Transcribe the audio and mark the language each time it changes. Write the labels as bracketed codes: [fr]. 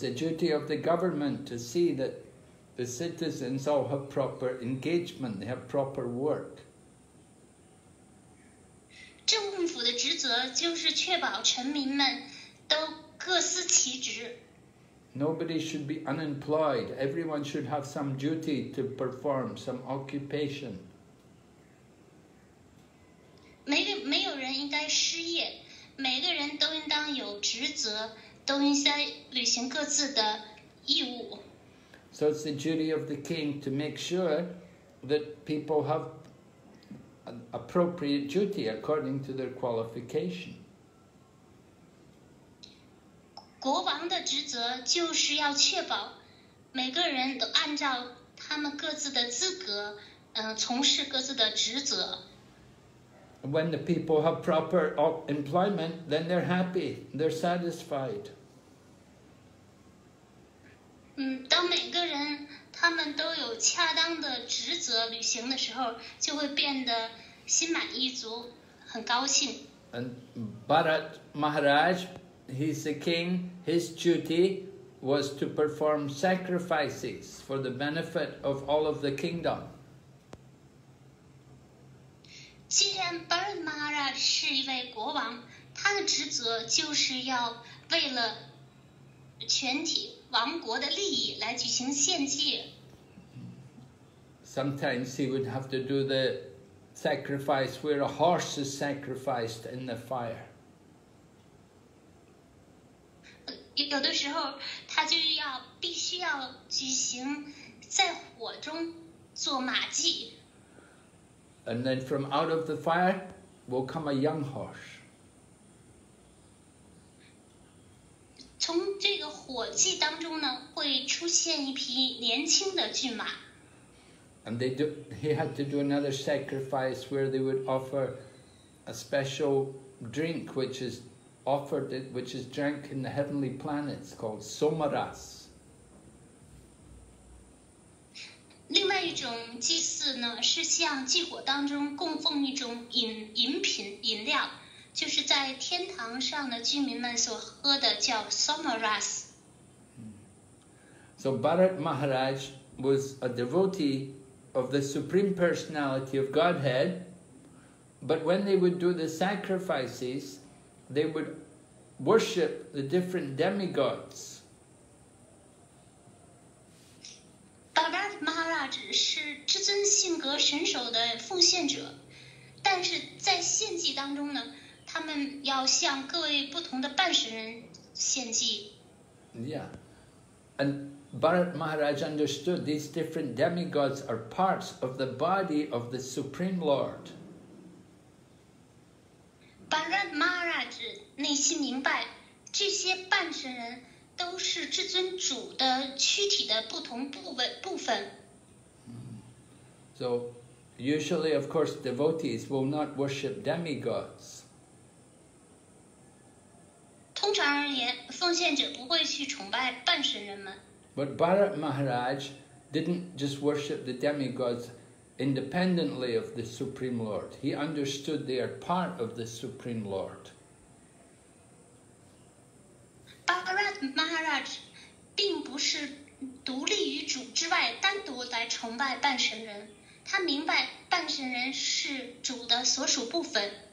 [en] the duty of the government to see that the citizens all have proper engagement, they have proper work. [zh] 政府的职责就是确保臣民们都各司其职。 [en] Nobody should be unemployed. Everyone should have some duty to perform, some occupation. So it's the duty of the king to make sure that people have appropriate duty according to their qualification. [zh] 国王的职责就是要确保每个人都按照他们各自的资格，从事各自的职责。 [en] When the people have proper employment, then they're happy, they're satisfied. [zh] 当每个人他们都有恰当的职责履行的时候，就会变得心满意足，很高兴。 [en] And Bharat Maharaj, he's the king, his duty was to perform sacrifices for the benefit of all of the kingdom. [zh] 既然 Bharat Maharaj 是一位国王，他的职责就是要为了全体王国的利益来举行献祭。 [en] Sometimes he would have to do the sacrifice where a horse is sacrificed in the fire. [zh] 有的时候他就要必须要举行在火中做马祭。 [en] And then from out of the fire will come a young horse. [zh] 从这个火祭当中呢，会出现一匹年轻的骏马。 [en] And he had to do another sacrifice where they would offer a special drink which is offered, which is drank in the heavenly planets called Somaras. [zh] 另外一种祭祀呢，是向祭火当中供奉一种饮品饮料，就是在天堂上的居民们所喝的叫 Somaras. [en] So Bharat Maharaj was a devotee of the Supreme Personality of Godhead, but when they would do the sacrifices, they would worship the different demigods. [zh] Bharat Maharaj 是至尊性格神手的奉献者，但是在献祭当中呢，他们要向各位不同的半神人献祭。 [en] Yeah, and Bharat Maharaj understood these different demigods are parts of the body of the Supreme Lord. [zh] Bharat Maharaj 内心明白，这些半神人都是至尊主的躯体的不同部分。 [en] So, usually, of course, devotees will not worship demigods. [zh] 通常而言，奉献者不会去崇拜半神人们。 [en] But Bharat Maharaj didn't just worship the demigods independently of the Supreme Lord. He understood they are part of the Supreme Lord. [zh] Bharat Maharaj 并不是独立于主之外单独来崇拜半神人，他明白半神人是主的所属部分。